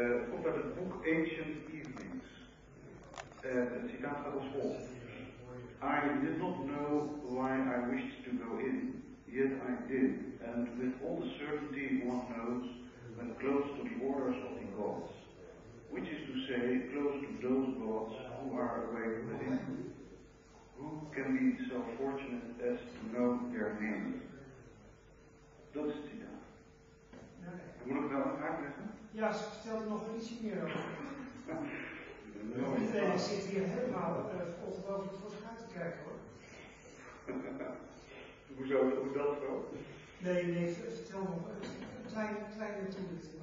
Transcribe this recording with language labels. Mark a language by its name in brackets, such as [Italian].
[Dutch] Komt uit het boek Ancient Evening. het citaat gaat als volgt. [English] I did not know why I wished to go in, yet I did, and with all the certainty one knows when close to the borders of the gods, which is to say, close to those gods who are away within. Who can be so fortunate as to know their name? [Dutch] Dat is het citaat. [English] Okay. [Dutch] Moet ik wel een vraag leggen? Ja, stel er nog iets meer over. Nee, ik zit hier helemaal ongelooflijk voor te kijken hoor. Hoezo, is dat zo? Nee, vertel nog een kleine toelichting